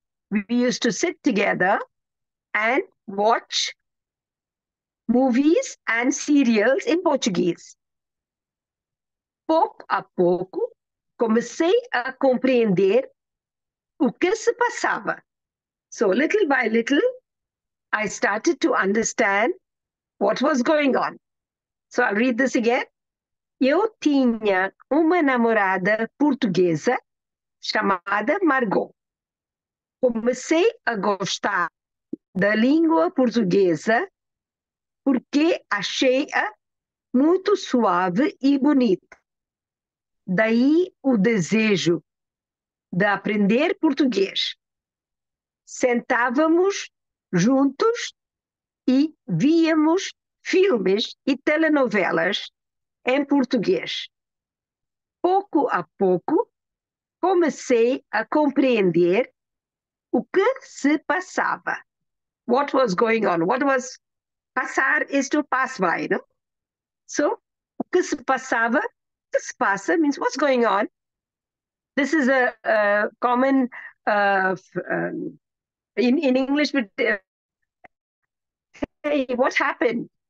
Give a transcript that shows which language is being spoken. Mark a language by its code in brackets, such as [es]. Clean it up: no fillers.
[en] We used to sit together and watch movies and serials in Portuguese. [pt] Pouco a pouco, comecei a compreender o que se passava. [en] So little by little, I started to understand what was going on. So I'll read this again. [pt] Eu tinha uma namorada portuguesa chamada Margot. Comecei a gostar da língua portuguesa porque achei-a muito suave e bonita. Daí o desejo de aprender português. Sentávamos juntos e víamos filmes e telenovelas em português. Pouco a pouco, comecei a compreender o que se passava. [en] What was going on? What was passar is to pass by, não? So, [pt] o que se passava? [en] This passa means what's going on. This is a common in English, but hey, what happened?